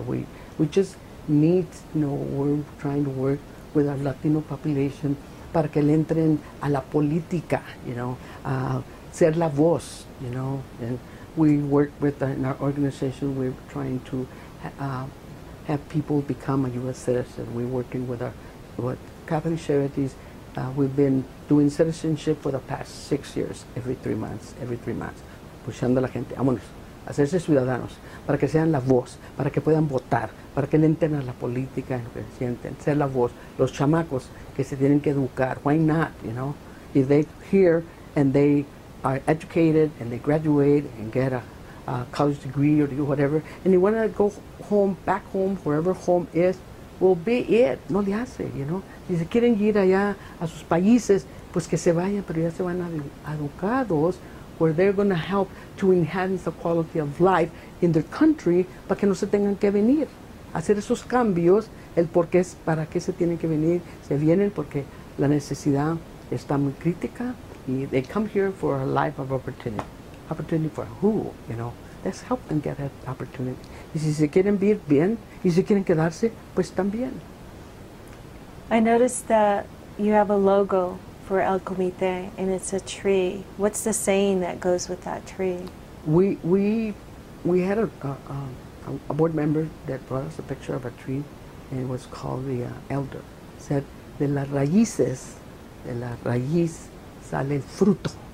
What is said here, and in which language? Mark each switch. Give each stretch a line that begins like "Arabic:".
English: We just need, you know, we're trying to work with our Latino population
Spanish: para que le entren a la política,
English: you know,
Spanish: ser la voz,
English: you know. And we work in our organization, we're trying to have people become a U.S. citizen. We're working with Catholic Charities. We've been doing citizenship for the past 6 years, every 3 months.
Spanish: Pushando a la gente, vámonos, hacerse ciudadanos, para que sean la voz, para que puedan votar, para que le entren a la política, lo que sienten, ser la voz, los chamacos que se tienen que educar.
English: Why not, you know? If they hear and they are educated and they graduate and get a college degree or do whatever, and you want to go home, back home, wherever home is, will be it.
Spanish: No le hace, you know. Si se quieren ir allá a sus países, pues que se vayan, pero ya se van educados,
English: where they're going to help to enhance the quality of life in their country,
Spanish: para que no se tengan que venir. Hacer esos cambios, el por qué, para qué se tienen que venir. Se vienen porque la necesidad está muy crítica, y
English: they come here for a life of opportunity. Opportunity for who, you know? Let's help them get that opportunity.
Spanish: Y si se quieren vivir bien, y si quieren quedarse, pues también.
English: I noticed that you have a logo for El Comité, and it's a tree. What's the saying that goes with that tree? We had a board member that brought us a picture of a tree, and it was called the Elder.
Spanish: It said, de las raíces sale el fruto.